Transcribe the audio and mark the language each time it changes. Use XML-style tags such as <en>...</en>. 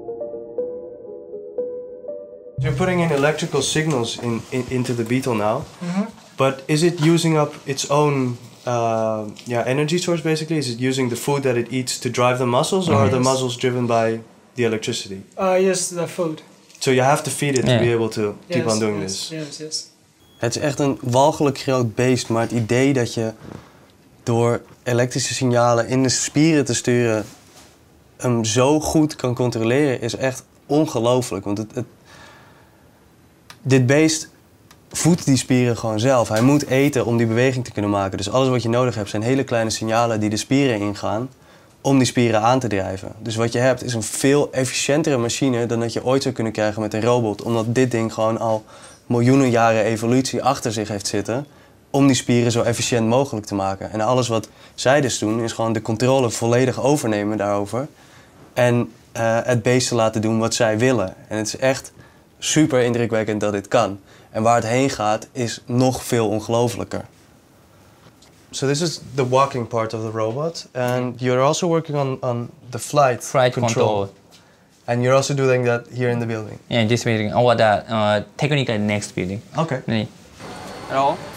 <en>So you're putting in electrical signals into the beetle now. Mm-hmm. But is it using up its own energy source, basically? Is it using the food that it eats to drive the muscles, or are the muscles driven by the electricity? Yes, the food. So you have to feed it to be able to keep on doing this? Yes.</en> <nl>Het is echt een walgelijk groot beest, maar het idee dat je door elektrische signalen in de spieren te sturen hem zo goed kan controleren, is echt ongelooflijk. Want dit beest voedt die spieren gewoon zelf. Hij moet eten om die beweging te kunnen maken. Dus alles wat je nodig hebt zijn hele kleine signalen die de spieren ingaan om die spieren aan te drijven. Dus wat je hebt is een veel efficiëntere machine dan dat je ooit zou kunnen krijgen met een robot. Omdat dit ding gewoon al miljoenen jaren evolutie achter zich heeft zitten om die spieren zo efficiënt mogelijk te maken. En alles wat zij dus doen is gewoon de controle volledig overnemen daarover en het beest laten doen wat zij willen. En het is echt super indrukwekkend dat dit kan. En waar het heen gaat, is nog veel ongelofelijker.</nl> <en>So this is the walking part of the robot. And you're also working on the flight control. And you're also doing that here in the building? Yeah, in this building. Or the technical next building. Okay. Me. Hello.</en>